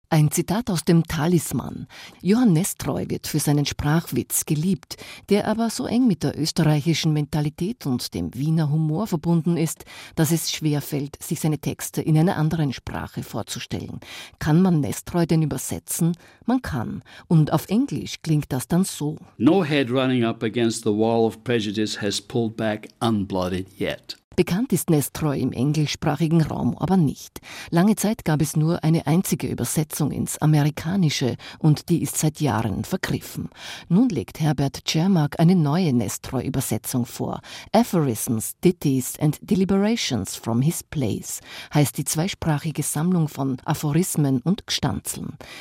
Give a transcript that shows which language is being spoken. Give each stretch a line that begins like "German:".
German: Ein Zitat aus dem Talisman. Johann Nestroy wird für seinen Sprachwitz geliebt, der aber so eng mit der österreichischen Mentalität und dem Wiener Humor verbunden ist, dass es schwerfällt, sich seine Texte in einer anderen Sprache vorzustellen. Kann man Nestroy denn übersetzen? Man kann. Und auf Englisch klingt das dann so.
English: No head running up against the wall of prejudice has pulled back unblooded yet.
German: Bekannt ist Nestroy im englischsprachigen Raum aber nicht. Lange Zeit gab es nur eine einzige Übersetzung ins Amerikanische und die ist seit Jahren vergriffen. Nun legt Herbert Tschermak eine neue Nestroy-Übersetzung vor. Aphorisms, Ditties and Deliberations from His Plays heißt die zweisprachige Sammlung von Aphorismen und Gstanzeln.